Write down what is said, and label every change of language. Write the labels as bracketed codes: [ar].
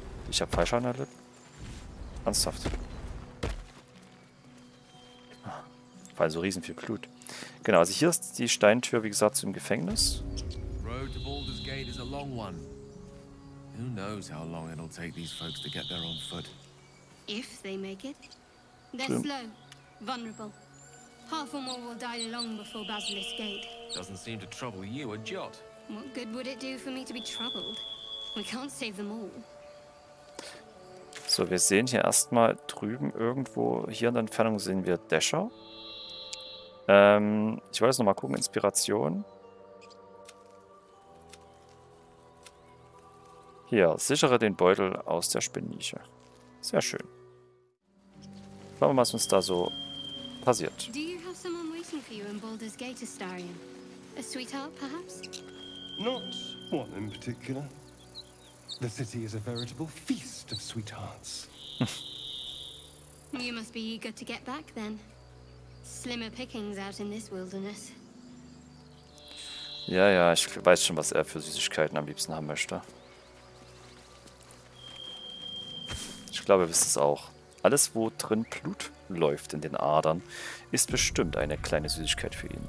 [de] Ich habe falsch an der Lippe. Ernsthaft. Weil so riesen viel Blut. Genau, also hier ist die Steintür, wie gesagt, zum Gefängnis. [en] Road to Baldur's Gate is a long one. Who knows how long it'll take these folks to get there on foot. If they make it, they're slow, vulnerable. Half or more will die long before Basilisk Gate. Doesn't seem to trouble you a jot. What good would it do for me to be troubled? We can't save them all. [de] So, wir sehen hier erstmal drüben irgendwo, hier in der Entfernung sehen wir Dasher. Ich wollte jetzt nochmal gucken, Inspiration. Hier, sichere den Beutel aus der Spinnnische. Sehr schön. Schauen wir mal, was uns da so passiert. [en] Do you have someone waiting for you in Baldur's Gate, Astarion? A sweetheart, perhaps? Not one in particular. The city is a veritable feast of sweethearts. You must be eager to get back, then. Slimmer pickings out in this wilderness. [de] Ja, ja, ich weiß schon, was er für Süßigkeiten am liebsten haben möchte. Ich glaube, ihr wisst es auch. Alles, wo drin Blut läuft in den Adern, ist bestimmt eine kleine Süßigkeit für ihn.